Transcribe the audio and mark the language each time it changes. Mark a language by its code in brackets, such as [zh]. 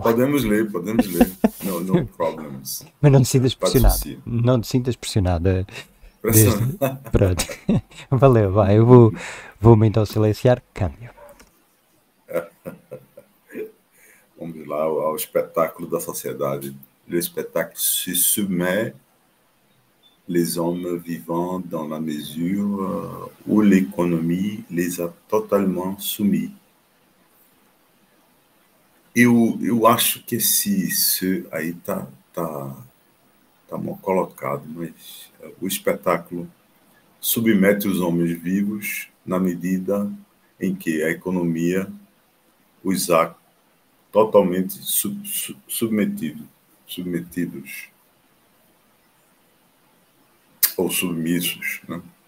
[pt] Podemos ler, podemos ler. [en] No, no problems. [pt] Mas não te sintas Pode pressionado. sim. Não te sintas pressionado. Pressão. Desde. Pronto. Valeu, vai. Eu vou-me então silenciar. Câmbio. Vamos lá ao espetáculo da sociedade. [fr] Le spectacle se soumet les hommes vivants dans la mesure où l'économie les a totalement soumis. [pt] Eu acho que se aí tá mal colocado, mas o espetáculo submete os homens vivos na medida em que a economia os há totalmente submetidos ou submissos, né?